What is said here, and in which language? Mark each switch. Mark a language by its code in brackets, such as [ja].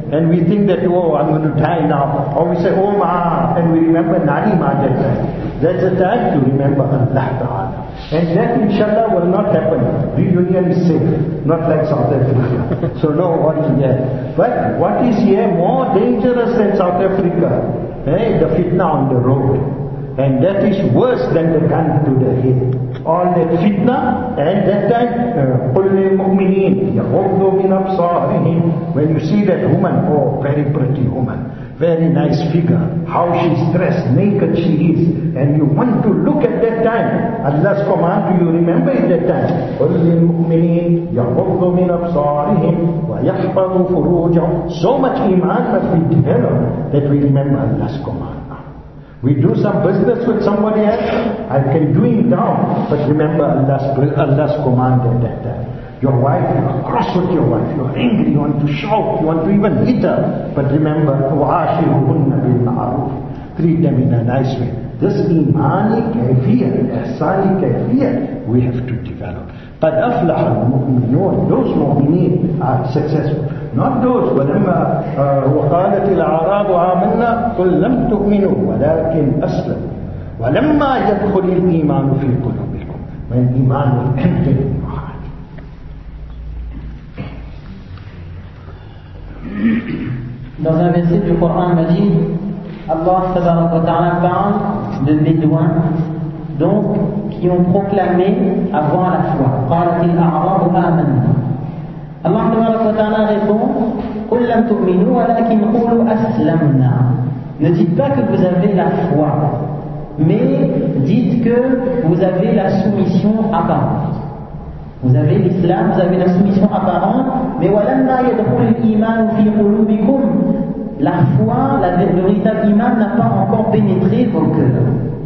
[en] And we think that, oh, I'm going to die now. Or we say, oh, ma, and we remember Nani Ma that time. That's the time to remember Allah Ta'ala. And that inshallah will not happen. Reunion is safe, not like South Africa. So no one is there. But what is here more dangerous than South Africa? Eh? The fitna on the road. And that is worse than the gun to the head. All the fitna, and that time, [ar] قُلِّ الْمُؤْمِنِينَ يَغُضُّوا مِنْ أَبْصَارِهِمْ. [en] When you see that woman, oh, very pretty woman, very nice figure, how she's dressed, naked she is, and you want to look at that time, Allah's command, do you remember in that time? [ar] قُلِّ الْمُؤْمِنِينَ يَغُضُّوا مِنْ أَبْصَارِهِمْ وَيَحْفَظُوا فُرُوجَهُمْ. [en] So much iman must be developed that we remember Allah's command. We do some business with somebody else, I can do it now, but remember Allah's command at that time. Your wife, you are cross with your wife, you are angry, you want to shout, you want to even hit her, but remember, [ar] وَعَاشِرُهُنَّ بِالْمَعْرُوفِ. [en] Treat them in a nice way. This imani kaifiyat, ihsani kaifiyat, we have to develop. [ar] قَدْ أَفْلَحَ الْمُؤْمِنُونَ. [en] Those mu'mineen are successful. Not those. [ar] وَلَمَّا وَقَالَتِ الْعَرَابُ آمَنَّا قُلْ لَمْ تُؤْمِنُوا وَلَكِنْ أَسْلَمُوا وَلَمَّا يَدْخُلِ الْإِيمَانُ فِي قُلُوبِكُمْ. [en] When iman will enter in your heart. [fr] Dans un verset du Coran Majid, Allah subhanahu wa ta'ala parle de bédouins, donc qui ont proclamé avoir la foi. [ar] قَالَتِ الْعَرَابُ آمَنَّا. [fr] Allah Ta'ala répond, [ar] قُلْ لَمْ تُؤْمِنُوا وَلَكِنْ قُولُوا أَسْلَمْنَا. [fr] Ne dites pas que vous avez la foi, mais dites que vous avez la soumission apparente. Vous avez l'islam, vous avez la soumission apparente, mais [ar] وَلَمَّا يَدْخُلُ الْإِيمَانُ فِي قُلُوبِكُمْ. [fr] La foi, la véritable iman n'a pas encore pénétré vos cœurs.